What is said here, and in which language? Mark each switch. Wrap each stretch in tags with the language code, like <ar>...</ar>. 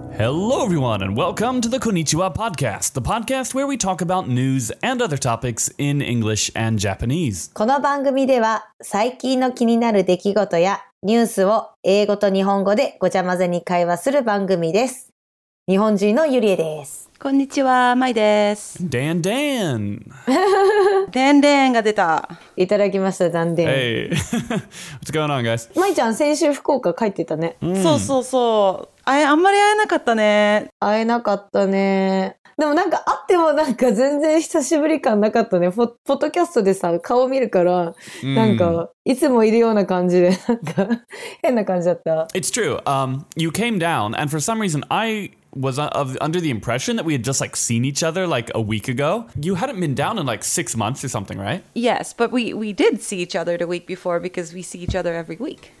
<en>Hello everyone and welcome to the Konnichiwa Podcast, the podcast where we talk about news and other topics in English and Japanese.</en> <ja>この番組では最近の気になる出来事やニュースを英語と日本語でごちゃ混ぜに会話する番組です。日本人のゆりえです。こんにちは、まいです。ダンダン。ダンダンが出た。いただきました、ダンダン。</ja> <en>Hey. What's going on, guys?</en> <ja>まいちゃん、先週福岡帰ってたね。 Mm. そうそうそう。あんまり会えなかったね。会えなかったね。でもなんか会ってもなんか全然久しぶり感なかったね。ポッドキャストでさ、顔見るから、なんか、いつもいるような感じで、なんか、変な感じだった。</ja> <en>It's true. You came down, and for some reason, I was under the impression that we had just like seen each other like a week ago. You hadn't been down in like 6 months or something, right? Yes, but we did see each other the week before because we see each other every week.</en>